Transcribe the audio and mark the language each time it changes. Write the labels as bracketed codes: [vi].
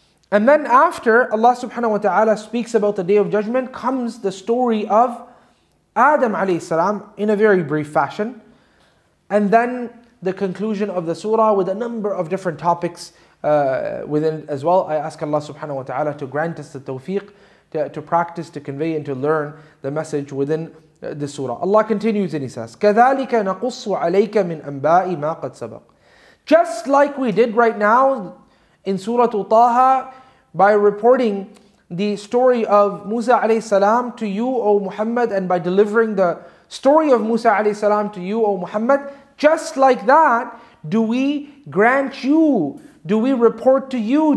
[en] And then after Allah subhanahu wa ta'ala speaks about the day of judgment comes the story of Adam alayhi salam in a very brief fashion, and then the conclusion of the surah with a number of different topics within it as well. I ask Allah subhanahu wa ta'ala to grant us the tawfiq to practice, to convey and to learn the message within the surah. Allah continues and He says, [ar] كَذَلِكَ نَقُصُّ عَلَيْكَ مِنْ أَنْبَاءِ مَا قَدْ سَبَقْ. [en] Just like we did right now in Surah Taha by reporting the story of Musa alayhi salam to you, O Muhammad, and by delivering the story of Musa alayhi salam to you, O Muhammad, just like that, Do we grant you? Do we report to you?